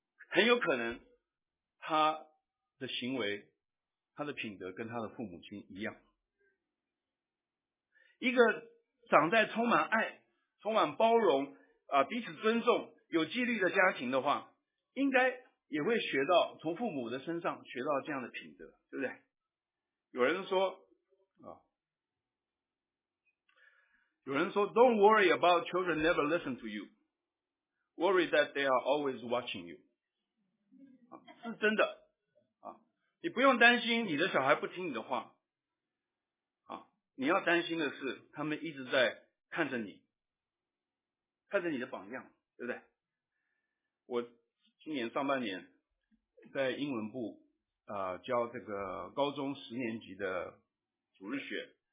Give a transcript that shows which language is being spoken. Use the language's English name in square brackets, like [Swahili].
[Chinese] 很有可能他的行为他的品德跟他的父母亲一样。一个长在充满爱充满包容彼此尊重有纪律的家庭的话，应该也会学到从父母的身上学到这样的品德，对不对？有人说 [English] Don't worry about children never listen to you. Worry that they are always watching you. [Chinese] 是真的。你不用担心你的小孩不听你的话。你要担心的是他们一直在看着你。看着你的榜样，对不对？我今年上半年在英文部教这个高中十年级的主日学。